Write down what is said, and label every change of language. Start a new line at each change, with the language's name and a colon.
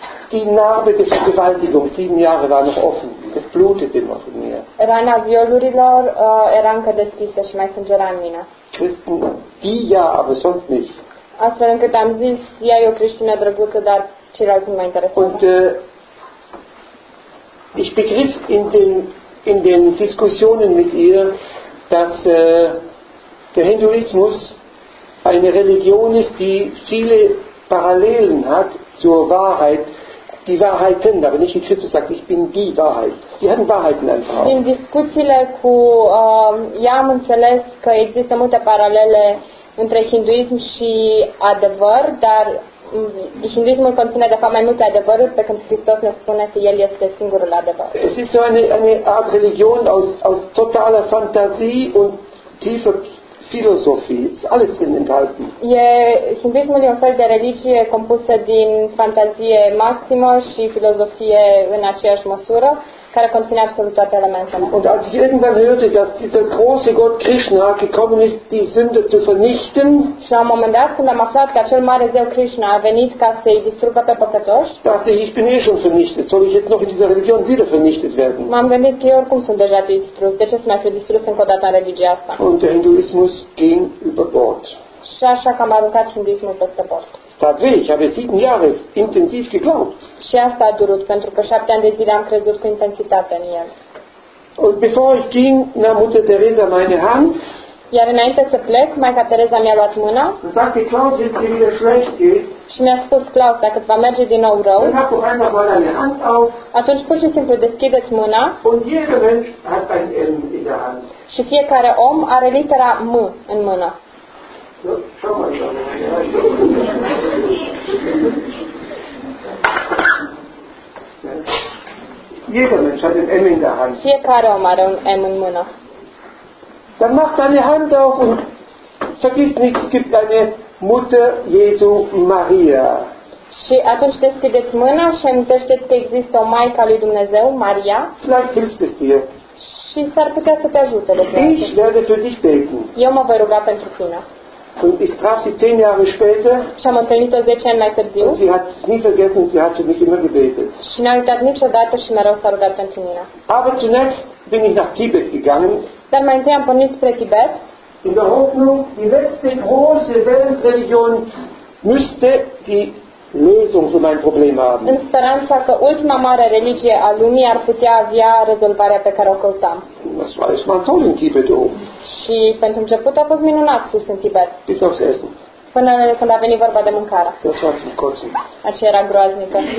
German: Die Narbe des Vergewaltigungs, 7 Jahre war noch offen. Es blutet immer von mir.
Romanian: Rana violurilor era încă deschisă și mai sângera în mine.
German: Christen, die ja, aber sonst nicht.
Romanian: Astfel încât am zis, ea e o creștină drăguță, dar ceilalți nu mă interesează.
German: Und ich begriff in den Diskussionen mit ihr, dass der Hinduismus eine Religion ist, die viele Parallelen hat zur Wahrheit. Die Wahrheiten, aber nicht wie Christus sagt, ich bin die Wahrheit. Die hatten Wahrheiten einfach.
Romanian: In discuțiile cu ea am înțeles că există multe paralele între hinduism și adevăr, dar hinduismul conține de fapt mai multe adevăruri, pe când Hristos ne spune că El este singurul adevăr.
German: Es ist so eine Art Religion aus totaler Fantasie und tiefer Philosophie, ist alles drin enthalten.
Romanian: E hinduismul e un fel de religie compusă din fantazie maximă și filozofie în aceeași măsură, care conține absolut toate elementele.
German: Und als ich irgendwann hörte, dass dieser große Gott Krishna gekommen ist, die Sünde zu vernichten,
Romanian: și la un moment dat, când am aflat că acel mare zeu Krishna a venit ca să-i distrugă pe păcătoși,
German: dachte ich, ich bin eh schon vernichtet, soll ich jetzt noch in dieser Religion wieder vernichtet werden?
Romanian: M-am gândit că eu oricum sunt deja distrus, de ce să mai fiu distrus încă o dată în religia asta?
German: Und der Hinduismus ging über Bord.
Romanian: Și așa că am aruncat hinduismul peste bord.
German: Tatsächlich, ich habe 7 Jahre intensiv geglaubt.
Romanian: Și asta a durut, pentru că 7 ani de zile am crezut cu intensitate în el.
German: Und bevor ich ging, nahm Mutter Teresa meine Hand.
Romanian: Iar înainte să plec, Maica Tereza mi-a luat mâna.
German: Und sagte, Klaus, wenn es dir wieder schlecht geht.
Romanian: Și mi-a spus, Klaus, dacă îți va merge din nou rău.
German: Dann hab doch einfach mal deine Hand auf.
Romanian: Atunci pur și simplu deschideți mâna.
German: Und jeder Mensch hat ein M in der Hand.
Romanian: Și fiecare om are litera M în mână.
German: Schau mal, Jeder Mensch hat ein M in der Hand.
Romanian: Fiecare om are un M în mână.
German: Dann mach deine Hand auf und vergiss nicht, es gibt eine Mutter Jesu Maria.
Romanian: Și atunci deschideți mâna și amintește-ți că există o Maica lui Dumnezeu, Maria.
German: Vielleicht hilft es dir.
Romanian: Și s-ar putea să te ajute.
German: Ich werde für dich beten.
Romanian: Eu mă voi ruga pentru tine.
German: Und ich traf sie 10 Jahre später.
Romanian: Și am întâlnit-o 10 ani mai târziu.
German: Und sie hat es nie vergessen, sie hat für mich immer gebetet.
Romanian: Și n-a uitat niciodată și mereu s-a rugat pentru mine.
German: Aber zunächst bin ich nach Tibet gegangen.
Romanian: Dar mai întâi am pornit spre Tibet.
German: In der Hoffnung, die letzte große Weltreligion müsste die Lösung für mein Problem haben.
Romanian: In speranța că ultima mare religie a lumii ar putea avea rezolvarea pe care o căutam.
German: Das war es mal toll in Tibet.
Romanian: Și pentru început a fost minunat sus în Tibet.
German: Bis aufs Essen.
Romanian: Până când a venit vorba de mâncare.
German: Das war zum Kotzen.
Romanian: Aceea era groaznică.